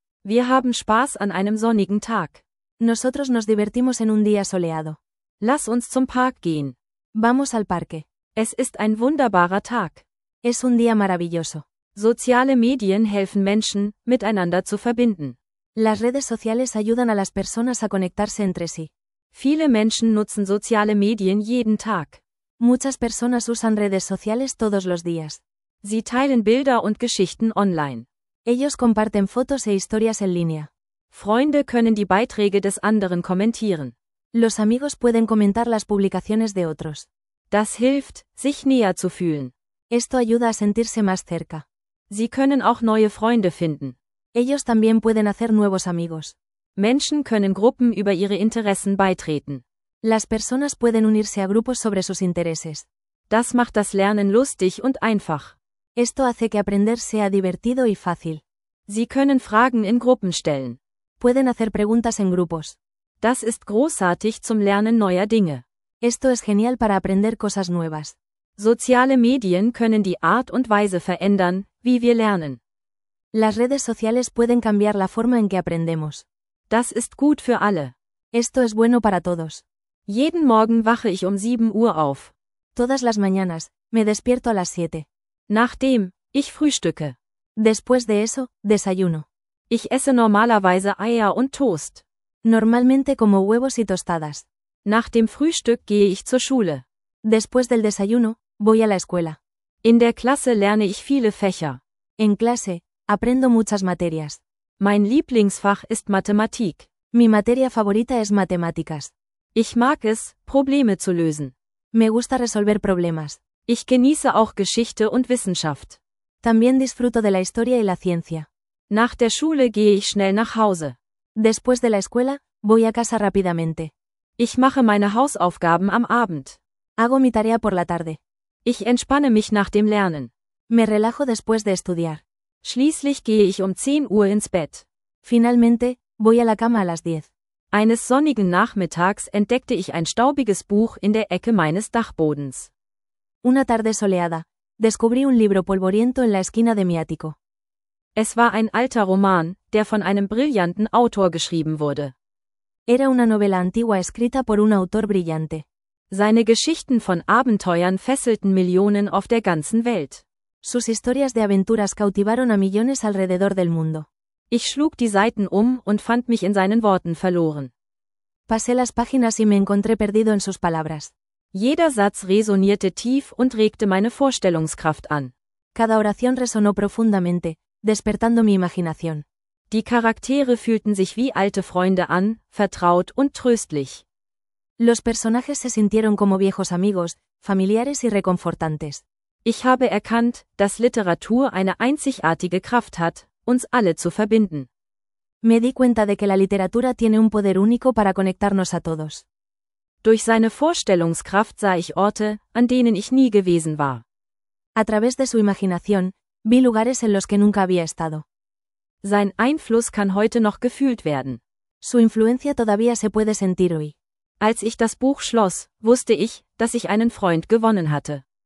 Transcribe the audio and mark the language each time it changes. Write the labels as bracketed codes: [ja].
[de] Wir haben Spaß an einem sonnigen Tag. [es] Nosotros nos divertimos en un día soleado. [de] Lass uns zum Park gehen. [es] Vamos al parque. [de] Es ist ein wunderbarer Tag. [es] Es un día maravilloso. [de] Soziale Medien helfen Menschen, miteinander zu verbinden. [es] Las redes sociales ayudan a las personas a conectarse entre sí. [de] Viele Menschen nutzen soziale Medien jeden Tag. [es] Muchas personas usan redes sociales todos los días. [de] Sie teilen Bilder und Geschichten online. [es] Ellos comparten fotos e historias en línea. [de] Freunde können die Beiträge des anderen kommentieren. [es] Los amigos pueden comentar las publicaciones de otros. [de] Das hilft, sich näher zu fühlen. [es] Esto ayuda a sentirse más cerca. [de] Sie können auch neue Freunde finden. [es] Ellos también pueden hacer nuevos amigos. [de] Menschen können Gruppen über ihre Interessen beitreten. [es] Las personas pueden unirse a grupos sobre sus intereses. [de] Das macht das Lernen lustig und einfach. [es] Esto hace que aprender sea divertido y fácil. [de] Sie können Fragen in Gruppen stellen. [es] Pueden hacer preguntas en grupos. [de] Das ist großartig zum Lernen neuer Dinge. [es] Esto es genial para aprender cosas nuevas. [de] Soziale Medien können die Art und Weise verändern, wie wir lernen. [es] Las redes sociales pueden cambiar la forma en que aprendemos. [de] Das ist gut für alle. [es] Esto es bueno para todos. [de] Jeden Morgen wache ich um 7 Uhr auf. [es] Todas las mañanas, me despierto a las 7. [de] Nachdem, ich frühstücke. [es] Después de eso, desayuno. [de] Ich esse normalerweise Eier und Toast. [es] Normalmente como huevos y tostadas. [de] Nach dem Frühstück gehe ich zur Schule. [es] Después del desayuno, voy a la escuela. [de] In der Klasse lerne ich viele Fächer. [es] En clase, aprendo muchas materias. [de] Mein Lieblingsfach ist Mathematik. [es] Mi materia favorita es matemáticas. [de] Ich mag es, Probleme zu lösen. [es] Me gusta resolver problemas. [de] Ich genieße auch Geschichte und Wissenschaft. [es] También disfruto de la historia y la ciencia. [de] Nach der Schule gehe ich schnell nach Hause. [es] Después de la escuela, voy a casa rápidamente. [de] Ich mache meine Hausaufgaben am Abend. [es] Hago mi tarea por la tarde. [de] Ich entspanne mich nach dem Lernen. [es] Me relajo después de estudiar. [de] Schließlich gehe ich um 10 Uhr ins Bett. [es] Finalmente, voy a la cama a las 10. [de] Eines sonnigen Nachmittags entdeckte ich ein staubiges Buch in der Ecke meines Dachbodens. [es] Una tarde soleada, descubrí un libro polvoriento en la esquina de mi ático. [de] Es war ein alter Roman, der von einem brillanten Autor geschrieben wurde. [es] Era una novela antigua escrita por un autor brillante. [de] Seine Geschichten von Abenteuern fesselten Millionen auf der ganzen Welt. [es] Sus historias de aventuras cautivaron a millones alrededor del mundo. [de] Ich schlug die Seiten um und fand mich in seinen Worten verloren. [es] Pasé las páginas y me encontré perdido en sus palabras. [de] Jeder Satz resonierte tief und regte meine Vorstellungskraft an. [es] Cada oración resonó profundamente, despertando mi imaginación. [de] Die Charaktere fühlten sich wie alte Freunde an, vertraut und tröstlich. [es] Los personajes se sintieron como viejos amigos, familiares y reconfortantes. [de] Ich habe erkannt, dass Literatur eine einzigartige Kraft hat, uns alle zu verbinden. [es] Me di cuenta de que la literatura tiene un poder único para conectarnos a todos. [de] Durch seine Vorstellungskraft sah ich Orte, an denen ich nie gewesen war. [es] A través de su imaginación, vi lugares en los que nunca había estado. [de] Sein Einfluss kann heute noch gefühlt werden. [es] Su influencia todavía se puede sentir hoy. [de] Als ich das Buch schloss, wusste ich, dass ich einen Freund gewonnen hatte.